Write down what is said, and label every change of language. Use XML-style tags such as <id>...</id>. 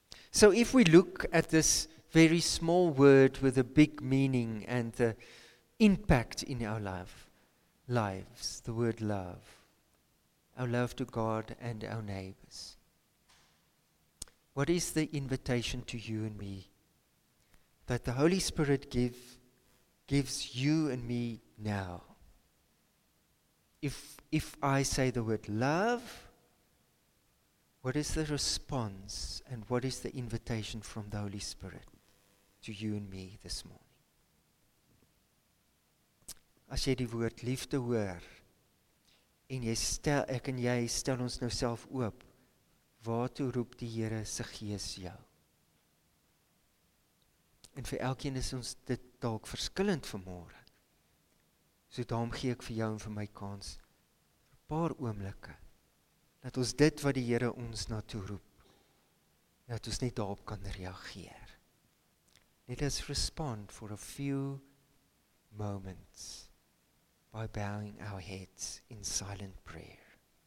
<en>So if we look at this very small word with a big meaning and the impact in our lives, the word love, our love to God and our neighbors, what is the invitation to you and me that the Holy Spirit gives you and me now? If I say the word love, what is the response and what is the invitation from the Holy Spirit to you and me this morning?</en> <af>As jy die woord liefde hoor, en jy stel, ek en jy stel ons nou self oop, waartoe roep die Here se gees jou? En vir elkeen is ons dit dalk verskillend vanmôre. So daarom gee ek vir jou en vir my kans, 'n paar oomblikke, dat ons dit wat die Here ons na toe roep, dat ons net daarop kan reageer.</af> <en>Let us respond for a few moments by bowing our heads in silent prayer.</en>